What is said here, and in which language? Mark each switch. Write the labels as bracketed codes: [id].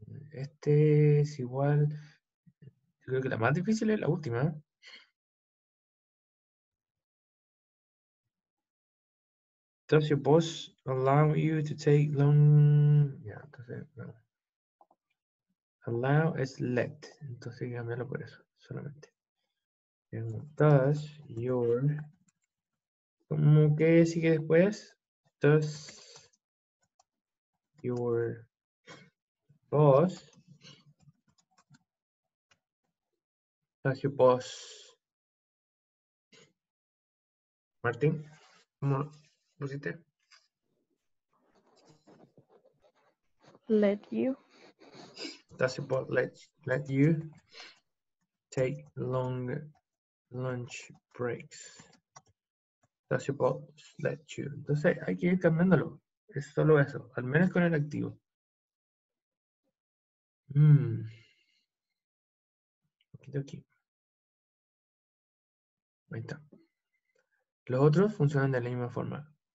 [es] Este es igual, yo creo que la más difícil es la última. [en] Does your boss allow you to take long? [es] Yeah, entonces, no. Allow es let. Entonces, cámbialo por eso, solamente. [en] Does your. [es] ¿Cómo que sigue después? [en] Does your boss. Does your boss. [es] Martín, ¿cómo pusiste? [en] Let you. Does your boss let you take long lunch breaks? Does your boss let you? [es] Entonces hay que ir cambiándolo. Es solo eso, al menos con el activo. Okidoki. Ahí está. Los otros funcionan de la misma forma.